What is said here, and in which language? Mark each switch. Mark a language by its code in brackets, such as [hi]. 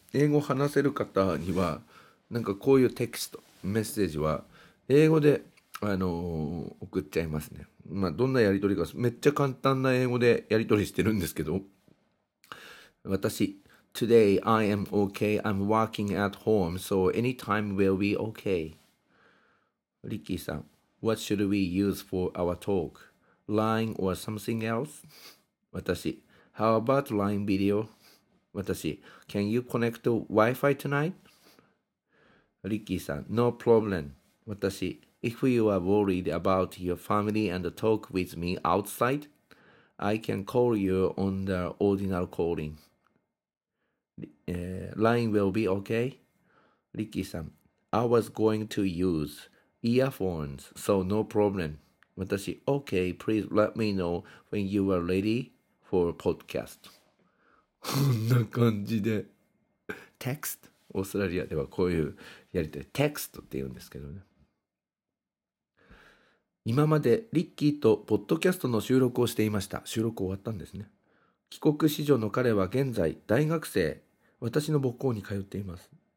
[ja] 英語話せる方にはなんかこういうテキストメッセージは英語で送っちゃいますね。まあどんなやり取りか、めっちゃ簡単な英語でやり取りしてるんですけど、私 [en] Today I am okay. I'm working at home. So anytime will be okay. リッキーさん What should we use for our talk? LINE or something else? 私 How about LINE video? 私 Can you connect to Wi-Fi tonight? リッキーさん No problem. 私If you are worried about your family and talk with me outside, I can call you on the ordinary calling. Line will be okay? Ricky-san, I was going to use earphones, so no problem. 私, okay, please let me know when you are ready for a podcast. [ja] こんな感じで。 [en] Text? [ja] オーストラリアではこういうやりたい。 [en] Text [ja] って言うんですけどね。今までリッキーとポッドキャストの収録をしていました。収録終わったんですね。帰国子女の彼は現在大学生、私の母校に通っています。